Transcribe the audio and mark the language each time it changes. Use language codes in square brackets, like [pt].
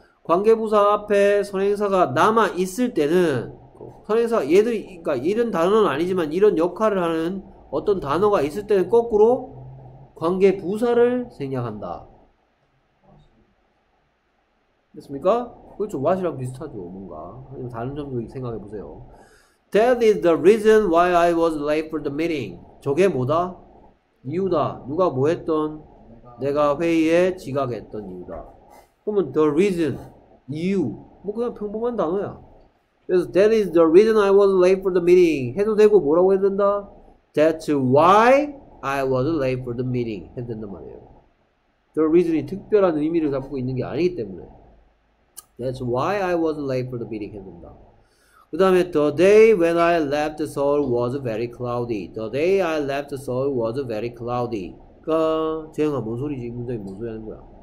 [ko] 관계부사 앞에 선행사가 남아 있을 때는 선행사가 얘들이, 그러니까 이런 단어는 아니지만 이런 역할을 하는 어떤 단어가 있을 때는 거꾸로 관계부사를 생략한다. 됐습니까? 그렇죠. What이랑 비슷하죠. 뭔가. 다른 점도 생각해보세요. [en] That is the reason why I was late for the meeting. [ko] 저게 뭐다? 이유다. 누가 뭐 했던? 내가 회의에 지각했던 이유다. 그러면 the reason. 이유. 뭐 그냥 평범한 단어야. 그래서 [en] That is the reason I was late for the meeting. [ko] 해도 되고 뭐라고 해야 된다? [en] That's why I was late for the meeting. [ko] 해도 된단 말이에요. The reason이 특별한 의미를 담고 있는 게 아니기 때문에. [en] That's why I was late for the meeting. [ko] 해도 된다. 그 다음에 [en] The day when I left Seoul was very cloudy. The day I left Seoul was very cloudy. [ko] 그러니까 재영아 뭔 소리지? 이 문장이 뭔 소리 하는 거야?